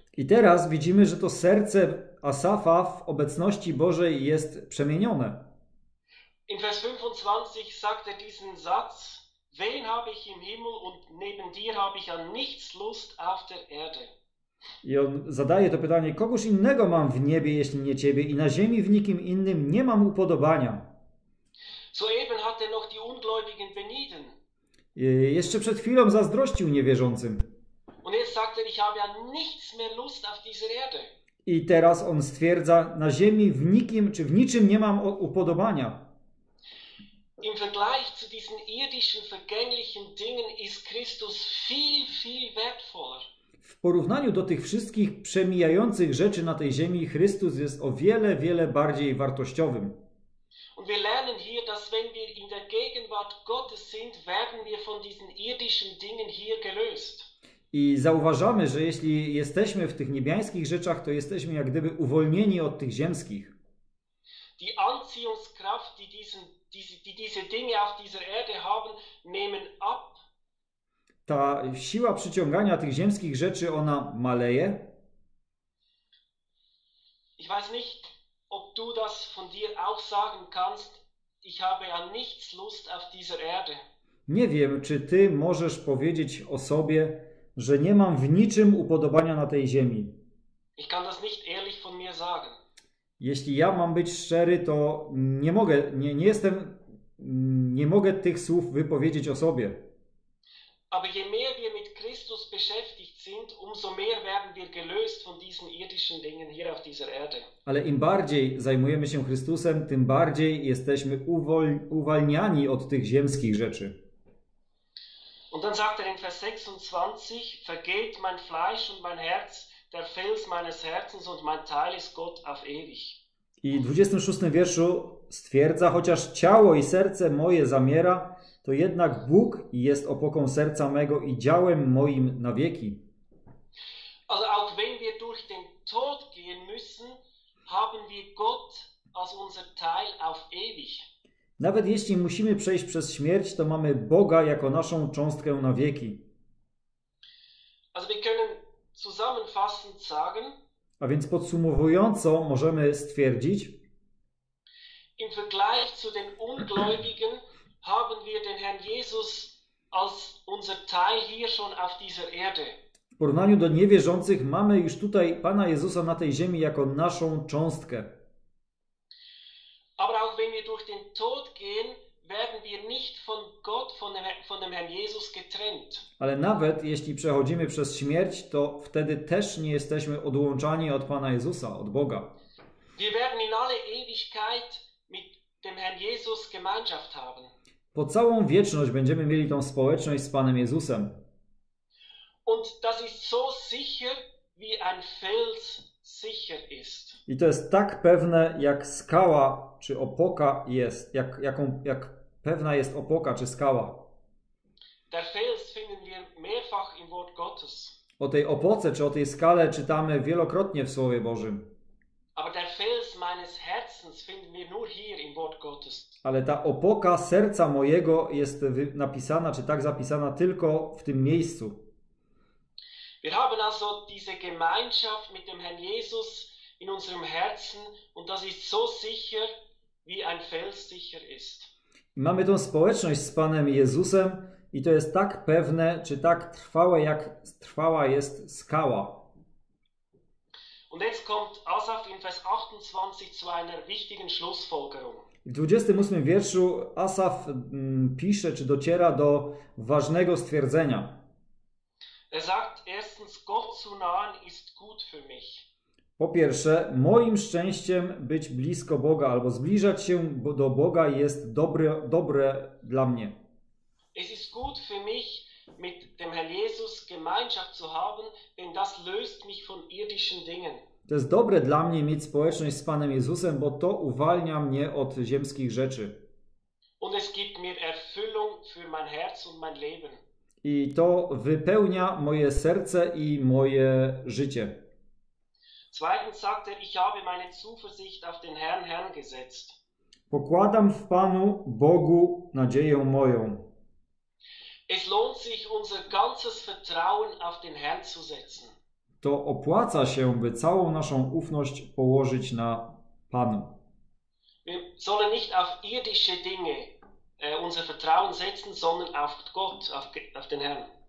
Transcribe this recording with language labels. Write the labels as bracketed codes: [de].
[pl] I teraz widzimy, że to serce Asafa w obecności Bożej jest przemienione. [de] In Vers 25 sagt er diesen Satz: Wen habe ich im Himmel und neben dir habe ich an nichts Lust auf der Erde. [pl] I on zadaje to pytanie, kogoż innego mam w niebie, jeśli nie ciebie, i na ziemi w nikim innym nie mam upodobania. [de] Soeben hat er noch die Ungläubigen benieden. [pl] Jeszcze przed chwilą zazdrościł niewierzącym. [de] Und jetzt sagt er, ich habe an nichts mehr Lust auf dieser Erde. [pl] I teraz on stwierdza, na ziemi w nikim czy w niczym nie mam upodobania. [de] Im Vergleich zu diesen irdischen vergänglichen Dingen ist Christus viel, viel wertvoller. [pl] W porównaniu do tych wszystkich przemijających rzeczy na tej ziemi, Chrystus jest o wiele, wiele bardziej wartościowym. [de] Und wir lernen hier, dass wenn wir in der Gegenwart Gottes sind, werden wir von diesen irdischen Dingen hier gelöst. [pl] I zauważamy, że jeśli jesteśmy w tych niebiańskich rzeczach, to jesteśmy jak gdyby uwolnieni od tych ziemskich. [de] Die Anziehungskraft, die diese Dinge auf dieser Erde haben, nehmen ab. [pl] Ta siła przyciągania tych ziemskich rzeczy, ona maleje. [de] Ich weiß nicht, ob du das von dir auch sagen kannst. Ich habe an nichts Lust auf dieser Erde. [pl] Nie wiem, czy ty możesz powiedzieć o sobie, że nie mam w niczym upodobania na tej ziemi. [de] Ich kann das nicht ehrlich von mir sagen. [pl] Jeśli ja mam być szczery, to nie mogę tych słów wypowiedzieć o sobie. [de] Aber je mehr wir mit Christus beschäftigt sind, umso mehr werden wir gelöst von diesen irdischen Dingen hier auf dieser Erde. [pl] Ale im bardziej zajmujemy się Chrystusem, tym bardziej jesteśmy uwalniani od tych ziemskich rzeczy. [de] Und dann sagt er in Vers 26, vergeht mein Fleisch und mein Herz, der Fels meines Herzens und mein Teil ist Gott auf ewig. [pl] I w 26 wierszu stwierdza, chociaż ciało i serce moje zamiera, to jednak Bóg jest opoką serca mego i działem moim na wieki. [de] Also auch wenn wir durch den Tod gehen müssen, haben wir Gott als unser Teil auf ewig. [pl] Nawet jeśli musimy przejść przez śmierć, to mamy Boga jako naszą cząstkę na wieki. [de] Also wir können zusammenfassend sagen, [pl] A więc podsumowująco możemy stwierdzić, [de] im Vergleich zu den Ungläubigen haben wir den Herrn Jesus als unser Teil hier schon auf dieser Erde. [pl] W porównaniu do niewierzących mamy już tutaj Pana Jezusa na tej ziemi jako naszą cząstkę. [de] Aber auch wenn wir durch den Tod gehen, werden wir nicht von Gott, von dem Herrn Jesus getrennt. [pl] Ale nawet jeśli przechodzimy przez śmierć, to wtedy też nie jesteśmy odłączani od Pana Jezusa, od Boga. [de] Wir werden in alle Ewigkeit mit dem Herrn Jesus Gemeinschaft haben. [pl] Po całą wieczność będziemy mieli tą społeczność z Panem Jezusem. [de] Und das ist so sicher, wie ein Fels sicher ist. [pl] I to jest tak pewne, jak skała czy opoka jest, jak pewna jest opoka czy skała. [de] Der Fels finden wir mehrfach im Wort Gottes. [pl] O tej opoce czy o tej skale czytamy wielokrotnie w Słowie Bożym. [de] Aber der Fels meines Herzens finden wir nur hier im Wort Gottes. [pl] Ale ta opoka serca mojego jest napisana, czy tak zapisana, tylko w tym miejscu. [de] Wir haben also diese Gemeinschaft mit dem Herrn Jesus in unserem Herzen und das ist so sicher, wie ein Fels sicher ist. [pl] Mamy tą społeczność z Panem Jezusem i to jest tak pewne, czy tak trwałe, jak trwała jest skała. [de] Und jetzt kommt Asaf in Vers 28 zu einer wichtigen Schlussfolgerung. [pl] W 28 wierszu Asaf pisze, czy dociera do ważnego stwierdzenia. [de] Er sagt, erstens, Gott zu nahen ist gut für mich. [pl] Po pierwsze, moim szczęściem być blisko Boga albo zbliżać się do Boga jest dobre dla mnie. [de] Es ist gut für mich, mit dem Herrn Jesus Gemeinschaft zu haben, denn das löst mich von irdischen Dingen. [pl] To jest dobre dla mnie mieć społeczność z Panem Jezusem, bo to uwalnia mnie od ziemskich rzeczy. [de] Und es gibt mir Erfüllung für mein Herz und mein Leben. [pl] I to wypełnia moje serce i moje życie. [de] Zweitens sagt er, ich habe meine Zuversicht auf den Herrn, Herrn gesetzt. [pl] Pokładam w Panu Bogu nadzieję moją. [de] Es lohnt sich, unser ganzes Vertrauen auf den Herrn zu setzen. [pl] To opłaca się, by całą naszą ufność położyć na Panu. [de] Wir sollen nicht auf irdische Dinge unser Vertrauen setzen, sondern auf Gott, auf den Herrn.